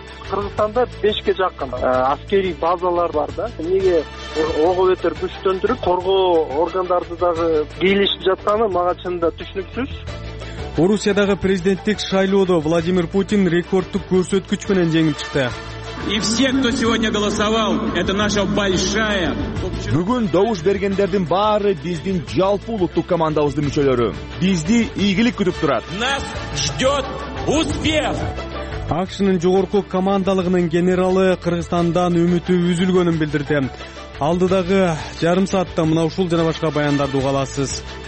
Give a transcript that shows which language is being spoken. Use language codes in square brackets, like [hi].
[ky] Кыргызстанда 5ге жакын аскерий базалар бар да. Эмнеге ого бетер күчтөндүрүп коргоо органдарды дагы бийлешип жатканы мага чынында түшүнүксүз. Орусиядагы президенттик шайлоодо Владимир Путин рекордтук көрсөткүч менен жеңип чыкты. [ru] И все, кто сегодня голосовал, это наша большая. [ky] Бүгүн добуш бергендердин баары биздин жалпы улуттук командабыздын мүчөлөрү. Бизди ийгилик күтүп турат. [ru] Нас ждёт успех. [ky] АКШнын жогорку командалыгынын генералы Кыргызстандан үмүтү үзүлгөнүн билдирди. Алдыдагы жарым саатта мына ушул жана башка баяндарды уга аласыз.